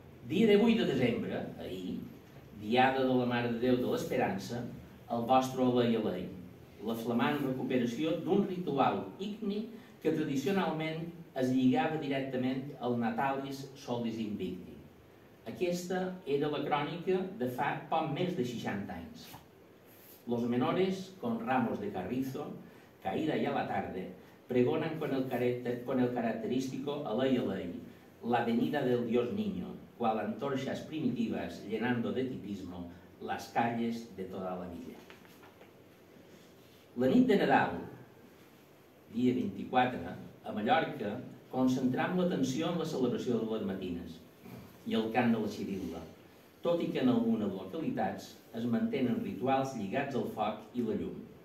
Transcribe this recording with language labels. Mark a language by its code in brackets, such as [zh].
[ca] Dia 18 de desembre, ahir, Diada de la Mare de Déu de l'Esperança, el vostre olei olei, la flamant recuperació d'un ritual igni que tradicionalment es lligava directament al Natalis Solis Invicti. Aquesta era la crònica de fa poc més de 60 anys. [es] Los menores, con ramos de carrizo, caída ya la tarde, pregonan con el característico olei olei, la venida del Dios Niño, cual antorchas primitivas llenando de tipismo las calles de toda la villa. [ca] La nit de Nadal, dia 24, a Mallorca, concentram l'atenció en la celebració de les matines i el cant de la xirilla, tot i que en algunes localitats es mantenen rituals lligats al foc i la llum.